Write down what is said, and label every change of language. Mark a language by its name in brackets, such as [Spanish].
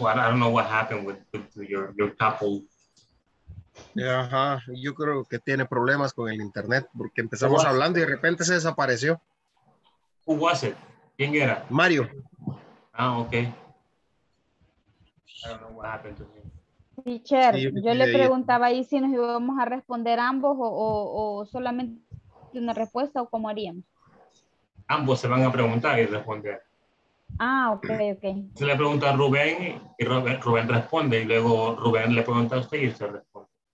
[English] Well, I don't know what happened with your couple. [Spanish] Yeah, yo creo que tiene problemas con el internet porque empezamos hablando y de repente se desapareció. [English] Who was it? [Spanish] ¿Quién era? [English] Mario. Ah, okay. I don't know what happened to him. [Spanish] Teacher, sí, yo le preguntaba ahí si nos íbamos a responder ambos o solamente una respuesta o cómo haríamos. ambos se van a preguntar y responder. [English] Ah, okay, okay. [Spanish] Se le pregunta a Rubén y Rubén responde y luego Rubén le pregunta a usted y usted responde.